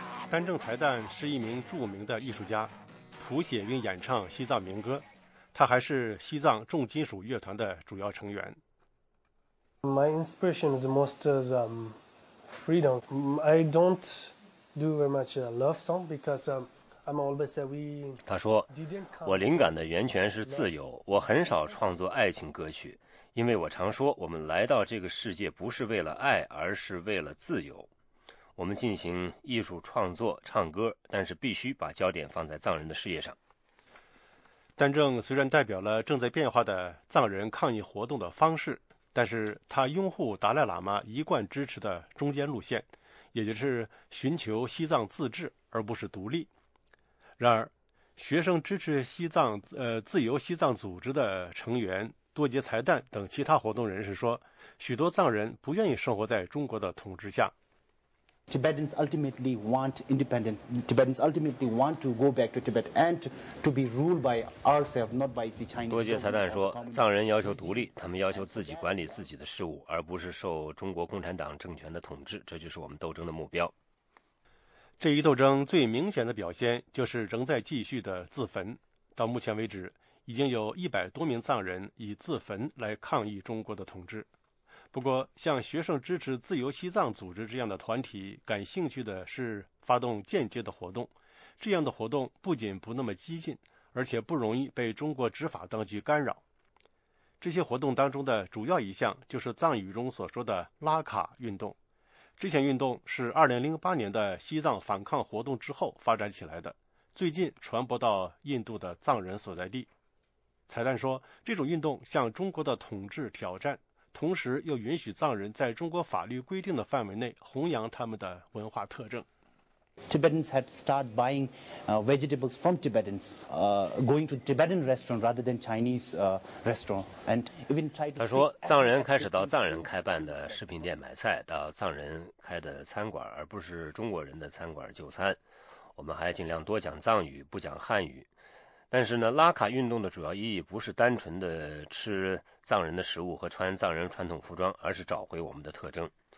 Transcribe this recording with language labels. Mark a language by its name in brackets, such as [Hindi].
[Chinese] 甘正才旦是一名著名的艺术家，谱写并演唱西藏民歌，他还是西藏重金属乐团的主要成员。 [English] My inspiration is most as freedom. I don't do very much love song because I'm always say we. [Chinese] 他说，我灵感的源泉是自由，我很少创作爱情歌曲，因为我常说，我们来到这个世界不是为了爱，而是为了自由。我们进行艺术创作、唱歌，但是必须把焦点放在藏人的事业上。丹正虽然代表了正在变化的藏人抗议活动的方式，但是他拥护达赖喇嘛一贯支持的中间路线，也就是寻求西藏自治而不是独立。然而学生支持西藏自由西藏组织的成员多杰才旦等其他活动人士说，许多藏人不愿意生活在中国的统治下。 [English] Tibetans ultimately want independence. Tibetans ultimately want to go back to Tibet and to be ruled by ourselves, not by the Chinese. [Chinese] 多杰才旦说，藏人要求独立，他们要求自己管理自己的事务，而不是受中国共产党政权的统治。这就是我们斗争的目标。这一斗争最明显的表现就是仍在继续的自焚。到目前为止，已经有100多名藏人以自焚来抗议中国的统治。不过，像学生支持自由西藏组织这样的团体感兴趣的是发动间接的活动。这样的活动不仅不那么激进，而且不容易被中国执法当局干扰。这些活动当中的主要一项就是藏语中所说的拉卡运动。这项运动是2008年的西藏反抗活动之后发展起来的，最近传播到印度的藏人所在地。彩蛋说，这种运动向中国的统治挑战，同时又允许藏人在中国法律规定的范围内弘扬他们的文化特征。 [English] Tibetans had started buying vegetables from Tibetans, going to Tibetan restaurant rather than Chinese restaurant, and even tried to. [Chinese] 他说，藏人开始到藏人开办的食品店买菜，到藏人开的餐馆，而不是中国人的餐馆就餐。我们还尽量多讲藏语，不讲汉语。但是呢，拉卡运动的主要意义不是单纯的吃藏人的食物和穿藏人传统服装，而是找回我们的特征。